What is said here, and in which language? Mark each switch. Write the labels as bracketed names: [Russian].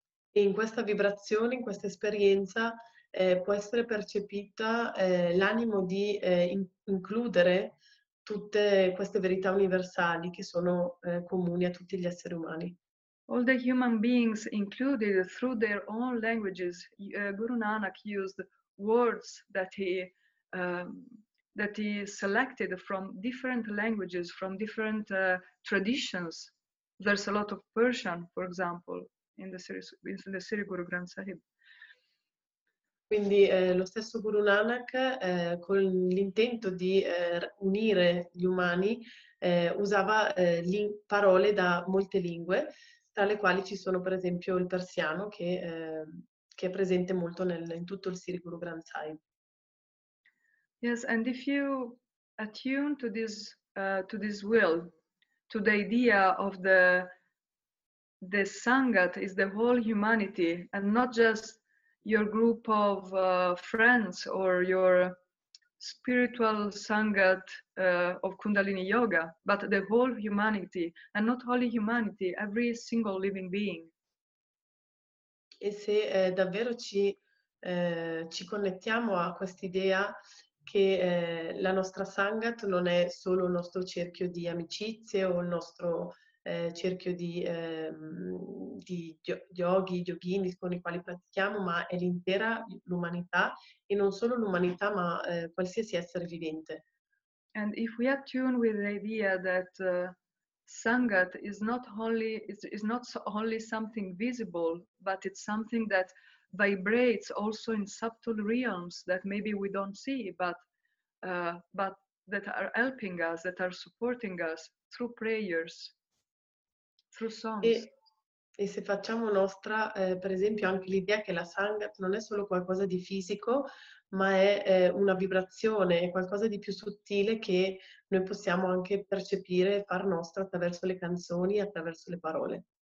[Italian] E in questa vibrazione, in questa esperienza, può essere percepita l'animo di includere tutte queste verità universali che sono comuni a tutti gli esseri umani. [English] All the human beings included through their own languages, Guru Nanak used words that he selected from different languages, from different traditions. There's a lot of Persian, for example, in the Sri Guru Granth Sahib. [Italian] Quindi lo stesso Guru Nanak, con l'intento di unire gli umani, usava parole da molte lingue, tra le quali ci sono per esempio il persiano, che è presente molto in tutto il Sri Guru Granth Sahib. [English] Yes, and if you attune to this will, to the idea of the Sangat is the whole humanity and not just your group of friends or your spiritual Sangat of Kundalini Yoga, but the whole humanity, and not only humanity, every single living being. [Italian] E se davvero ci connettiamo a quest'idea che la nostra Sangat non è solo il nostro cerchio di amicizie o il nostro cerchio di yogi, yogini con i quali pratichiamo, ma è l'intera l'umanità e non solo l'umanità, ma qualsiasi essere vivente. [English] And if we attune with the idea that Sangat is not only is not only something visible, but it's something that vibrates also in subtle realms that maybe we don't see, but that are helping us, that are supporting us through prayers, through songs. [Italian] E se facciamo nostra, per esempio, anche l'idea che la Sangat non è solo qualcosa di fisico, ma è una vibrazione, è qualcosa di più sottile che noi possiamo anche percepire e far nostra attraverso le canzoni, attraverso le parole.